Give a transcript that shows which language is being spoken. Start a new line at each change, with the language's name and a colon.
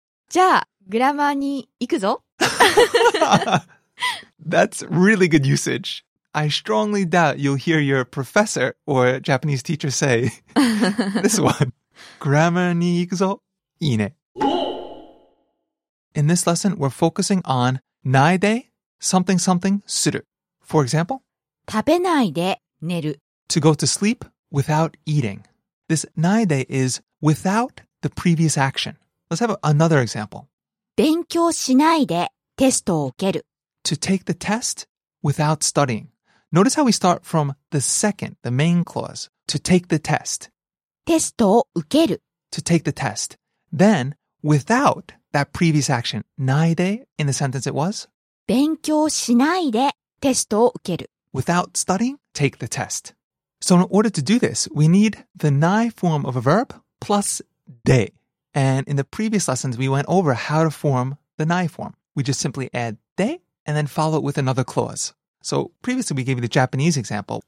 Japanese: じゃあ、グラマーに行くぞ!
English: That's really good usage. I strongly doubt you'll hear your professor or Japanese teacher say this one.
Japanese: Grammar に行くぞ!いいね。
English: In this lesson, we're focusing on ないで something something する.For example,
Japanese: 食べないで寝る。
English: To go to sleep without eating. This ないで is without the previous action. Let's have another example.
Japanese: 勉強しないでテストを受ける。
English: To take the test without studying. Notice how we start from the second, the main clause. To take the test.
Japanese: テストを受ける。
English: To take the test. Then, without that previous action, ないで in the sentence it was?
Japanese: 勉強しないでテストを受ける。
English: Without studying, take the test. So in order to do this, we need the nai form of a verb plus de. And in the previous lessons, we went over how to form the nai form. We just simply add de and then follow it with another clause. So previously, we gave you the Japanese example.